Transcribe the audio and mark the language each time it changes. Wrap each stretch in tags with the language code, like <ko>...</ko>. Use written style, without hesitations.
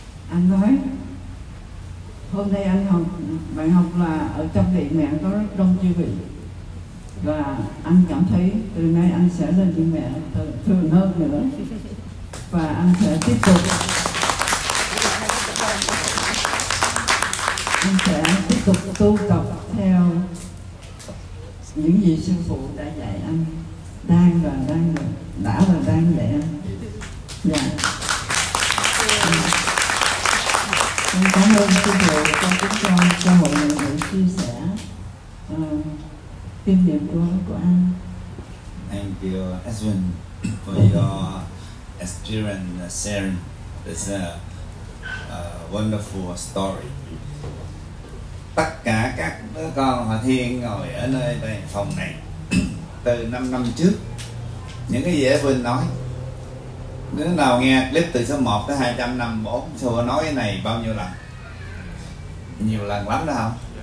<vi>Anh nói hôm nay anh học, bạn học là ở trong điện mẹ có rất đông chư vị, và anh cảm thấy từ nay anh sẽ lên điện mẹ thường hơn nữa, và anh sẽ tiếp tục tu tập theo những gì sư phụ đã dạy anh, đang dạy anh. Dạ. Cảm ơn sư phụ cho chúng con, cho mọi người để chia sẻ kinh nghiệm của anh.</vi> <en>Thank you, Edwin, for your experience sharing this wonderful story.</en> <vi>Tất cả các đứa con họ Thiên ngồi ở nơi đây phòng này từ 5 năm trước, những cái gì Edwin nói, đứa nào nghe clip từ số 1 tới 254, sư phụ nói cái này bao nhiêu lần? Nhiều lần lắm đó không?</vi>